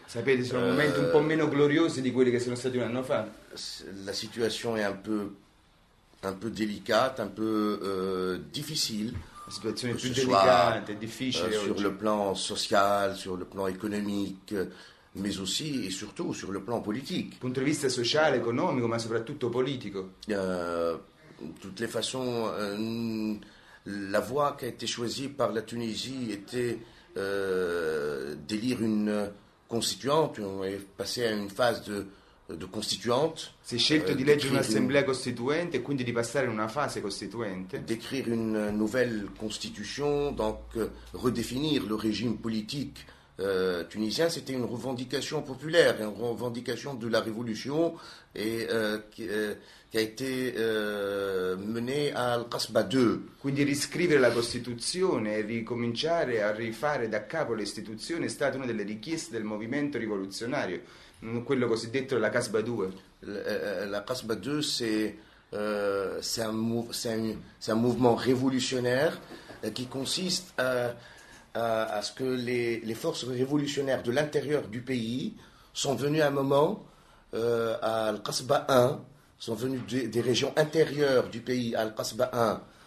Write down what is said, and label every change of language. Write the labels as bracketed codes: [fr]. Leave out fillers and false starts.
[it] Sapete, sono momenti un po' meno gloriosi di quelli che sono stati un anno fa. [fr] La situation est un peu délicate, un peu difficile. La situation est plus délicate, difficile. Sur le plan social, sur le plan économique, mais aussi et surtout sur le plan politique. [it] Punto di vista sociale, economico, ma soprattutto politico. [fr] Toutes les façons, la voie qui a été choisie par la Tunisie était d'élire une constituante. On est passé à une phase de constituante. [it] Si è scelto di eleggere un'assemblea costituente e quindi di passare in una fase costituente. [fr] D'écrire une nouvelle constitution, donc redéfinir le régime politique tunisien, c'était une revendication populaire, une revendication de la révolution et qui a été menée à Al-Qasba 2. [it] Quindi riscrivere la Costituzione e ricominciare a rifare da capo l'istituzione è stata una delle richieste del movimento rivoluzionario, quello cosiddetto la Qasba 2. [fr] La Qasba 2 c'est un mouvement révolutionnaire qui consiste à ce que les forces révolutionnaires de l'intérieur du pays sont venues à un moment à Al-Qasba 1, sont venues des régions intérieures du pays à Al-Qasba 1